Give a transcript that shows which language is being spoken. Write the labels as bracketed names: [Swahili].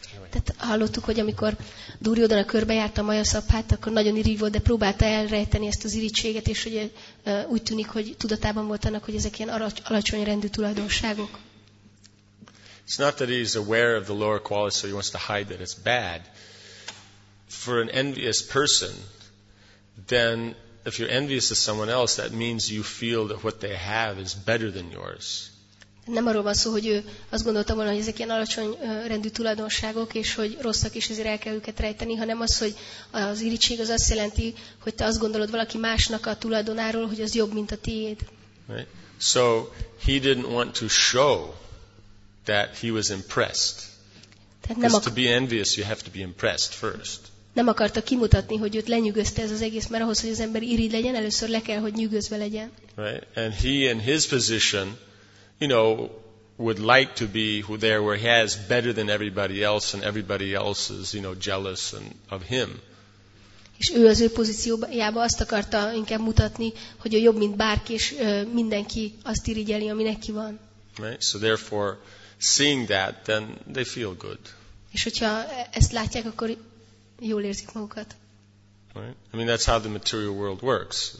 [Hungarian] Tehát hallottuk, hogy amikor Duryodhana körbejárt a Majaszabhát, akkor nagyon irigy volt, de próbálta elrejteni ezt az irigységet, és ugye, úgy tűnik, hogy tudatában volt annak, hogy ezek ilyen alacsony rendű tulajdonságok. [English] It's not that he's aware of the lower qualities, so he wants to hide that it's bad. For an envious person, then if you're envious of someone else, that means you feel that what they have is better than yours. [Hungarian] Nem arról van szó, hogy ő azt gondolta volna, hogy ezek ilyen alacsony rendű tulajdonságok, és hogy rosszak is, ezért el kell őket rejteni, hanem az, hogy az irigység az azt jelenti, hogy te azt gondolod valaki másnak a tulajdonáról, hogy az jobb, mint a tiéd. [English] Right. So he didn't want to show that he was impressed. To be envious, you have to be impressed first. [Hungarian] Nem akarta kimutatni, hogy őt lenyűgözte ez az egész, mert ahhoz, hogy az ember irigy legyen, először le kell, hogy nyűgözve legyen. [English] Right. And he in his position, you know, would like to be there where he has better than everybody else, and everybody else is, you know, jealous and of him. [Hungarian] És ő az ő pozíciójában azt akarta inkább mutatni, hogy ő jobb, mint bárki, és mindenki azt irigyeli, ami neki van. [English] Right. So therefore, seeing that, then they feel good. [Hungarian] És hogyha ezt látják, akkor jól érzik magukat. [English] Right. I mean, that's how the material world works.